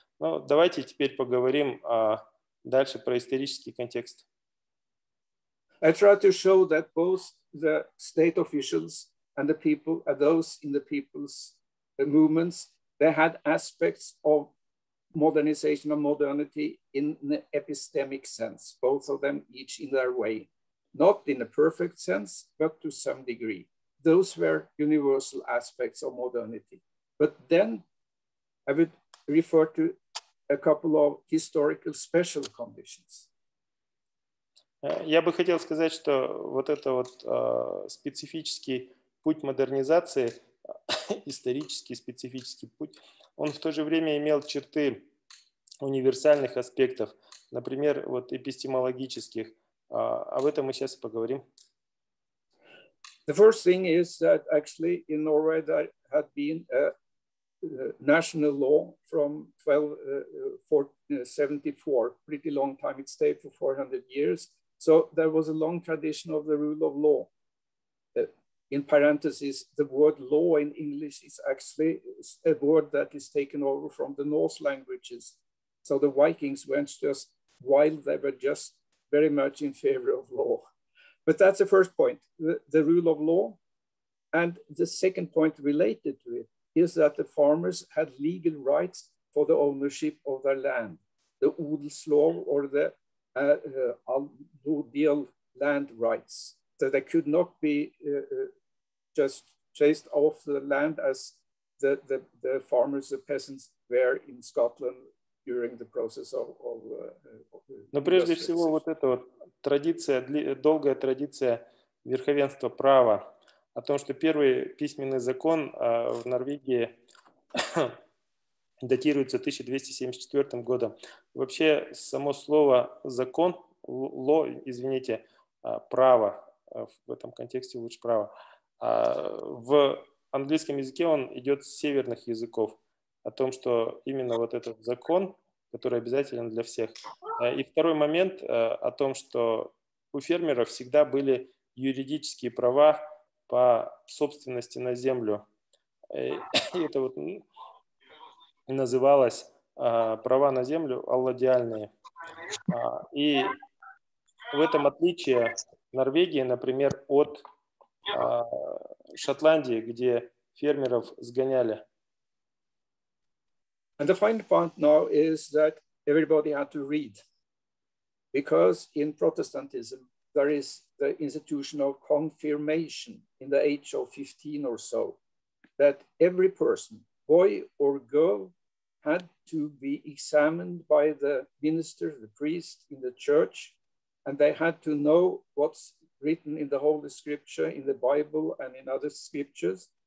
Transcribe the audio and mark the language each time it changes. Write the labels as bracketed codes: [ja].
[ru] Ну, давайте теперь поговорим дальше про исторический контекст. [en] I try to show that both the state officials and the people, and those in the people's movements, they had aspects of modernization of modernity in the epistemic sense, both of them each in their way, not in a perfect sense, but to some degree. Those were universal aspects of modernity. But then I would refer to a couple of historical special conditions. [ru] Я бы хотел сказать, что вот это вот специфический путь модернизации, исторический специфический путь, он в то же время имел черты универсальных аспектов, например, вот эпистемологических. Об этом мы сейчас и поговорим. [en] The first thing is that actually in Norway there had been a national law from 1274, pretty long time, it stayed for 400 years. So there was a long tradition of the rule of law. In parentheses, the word law in English is actually a word that is taken over from the Norse languages. So the Vikings went just wild, they were just very much in favor of law. But that's the first point, the rule of law. And the second point related to it is that the farmers had legal rights for the ownership of their land, the odelslov or the alludial land rights, that they could not be just chased off the land as the farmers, the peasants were in Scotland during the process of the industrialization. [ru] Но прежде всего вот эта вот традиция, долгая традиция верховенства права о том, что первый письменный закон в Норвегии датируется 1274 годом. Вообще, само слово закон, law, извините, право, в этом контексте лучше право, в английском языке он идет с северных языков, о том, что именно вот этот закон, который обязателен для всех. И второй момент о том, что у фермеров всегда были юридические права по собственности на землю. И это вот называлось права на землю аллодиальные. И в этом отличие Норвегии, например, от Шотландии, где фермеров сгоняли. [en] And the final point now is that everybody had to read, because in Protestantism there is the institution of confirmation in the age of 15 or so, that every person, boy or girl, had to be examined by the minister, the priest in the church, and they had to know what's written in the Holy Scripture, in the Bible and in other scriptures.